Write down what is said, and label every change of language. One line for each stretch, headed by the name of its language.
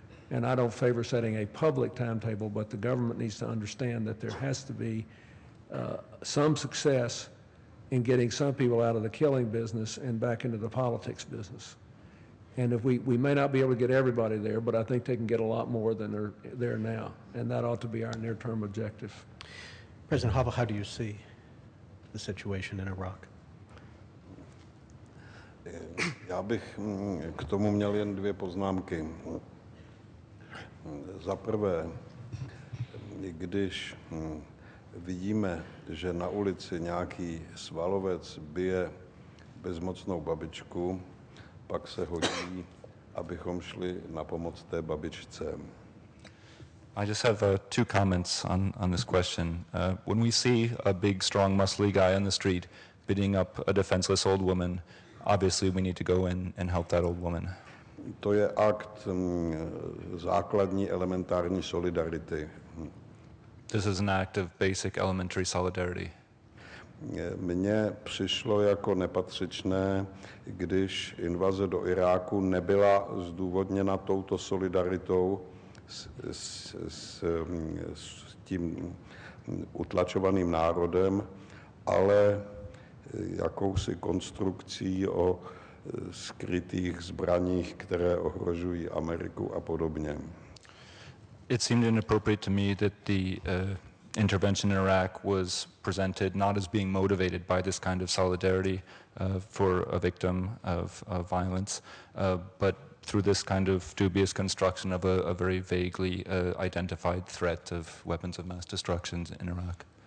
English: And I don't favor setting a public timetable, but the government needs to understand that there has to be some success in getting some people out of the killing business and back into the politics business. And if we may not be able to get everybody there, but I think they can get a lot more than they're there now. And that ought to be our near-term objective. President Hava, how do you see the situation in Iraq?
Czech: Já bych k tomu měl jen dvě poznámky. Za prvé, když vidíme, že na ulici nějaký svalovec bije bezmocnou babičku, pak se hodí, abychom šli na pomoc té babičce.
English: I just have two comments on this question. When we see a big, strong, muscly guy on the street beating up a defenseless old woman, obviously we need to go in and help that old woman.
Czech: To je akt základní elementární solidarity.
English: This is an act of basic elementary solidarity.
Czech: Mně přišlo jako nepatřičné, když invaze do Iráku nebyla zdůvodněna touto solidaritou s tím utlačovaným národem, ale jakousi konstrukcí o skrytých zbraních, které ohrožují Ameriku a podobně.
English: It seemed inappropriate to me that the intervention in Iraq was presented not as being motivated by this kind of solidarity for a victim of violence, but through this kind of dubious construction of a very vaguely identified threat of weapons of mass destruction in Iraq.